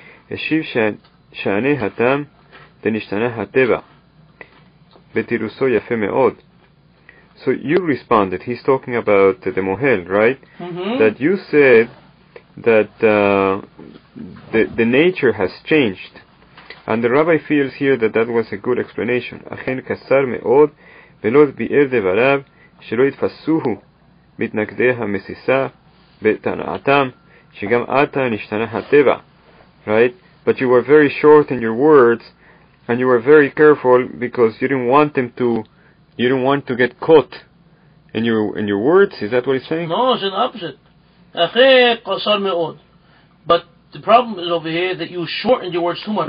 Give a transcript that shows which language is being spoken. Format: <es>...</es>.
<he>השיב שענה הטעם ונשתנה הטבע בתירוסו יפה מאוד.</he> <en>So you responded, he's talking about the Mohel, right? Mm-hmm. That you said that the nature has changed. And the rabbi feels here that was a good explanation.</en> <he>אכן קצר מאוד ולא ביאר דבריו שלא יתפסוהו מתנגדי המסיסה בתנעתם שגם עתה נשתנה הטבע, right?</he> <en>But you were very short in your words, and you were very careful because you didn't want to get caught in your words. Is that what he's saying? No, it's the opposite. But The problem is over here that you shortened your words too much.</en>